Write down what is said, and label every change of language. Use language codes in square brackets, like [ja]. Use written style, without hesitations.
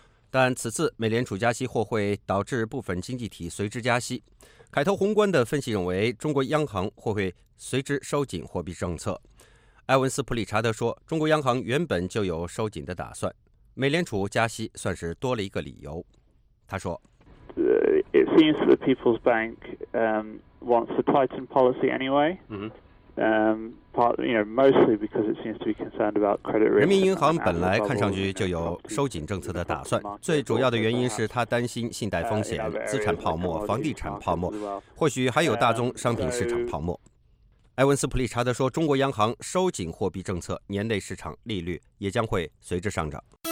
[zh] 但此次美联储加息或会导致部分经济体随之加息。凯投宏观的分析认为，中国央行或会随之收紧货币政策。埃文斯普里查德说，中国央行原本就有收紧的打算，美联储加息算是多了一个理由。他说， [en] It seems that the People's Bank wants to tighten policy anyway. Mostly because it seems to be concerned about credit risk. [zh] 人民银行本来看上去就有收紧政策的打算，最主要的原因是他担心信贷风险、资产泡沫、房地产泡沫，或许还有大宗商品市场泡沫。埃文斯普利查德说，中国央行收紧货币政策，年内市场利率也将会随之上涨。